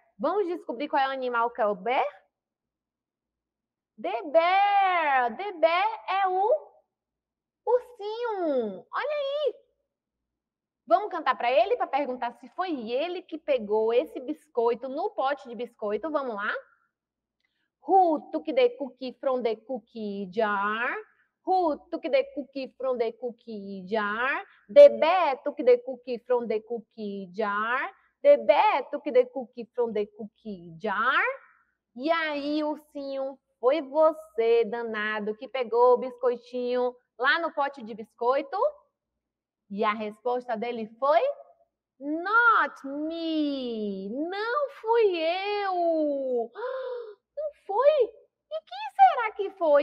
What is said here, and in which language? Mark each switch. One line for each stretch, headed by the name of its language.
Portuguese: Vamos descobrir qual é o animal que é o bear? The bear. The bear é o ursinho, olha aí. Vamos cantar para ele para perguntar se foi ele que pegou esse biscoito no pote de biscoito. Vamos lá.
English: Who took the cookie from the cookie jar? Who took the cookie from the cookie jar? The bear took the cookie from the cookie jar. The bear took the cookie from the cookie jar.
Portuguese: E aí, ursinho, foi você, danado, que pegou o biscoitinho lá no pote de biscoito? E a resposta dele foi,
English: not me,
Portuguese: não fui eu. Não foi? E quem será que foi?